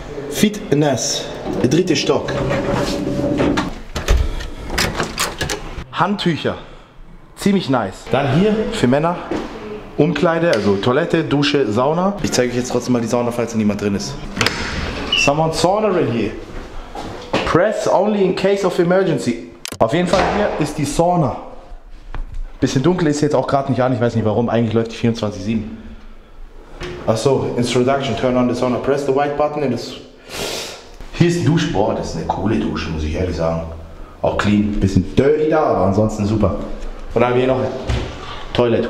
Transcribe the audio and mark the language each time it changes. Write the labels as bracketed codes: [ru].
[de] Fitness, der dritte Stock. Handtücher. Ziemlich nice. Dann hier für Männer, Umkleide, also Toilette, Dusche, Sauna. Ich zeige euch jetzt trotzdem mal die Sauna, falls niemand drin ist. [en] Someone sauna in here. Press only in case of emergency. [de] Auf jeden Fall hier ist die Sauna. Bisschen dunkel ist jetzt auch gerade nicht an, ich weiß nicht warum, eigentlich läuft die 24/7. Achso, [en] Introduction, turn on the sauna, press the white button. And it's... [de] Hier ist die Dusche, boah, das ist eine coole Dusche, muss ich ehrlich sagen. Auch clean, bisschen dirty da, aber ansonsten super. Und dann haben wir hier noch Toilette.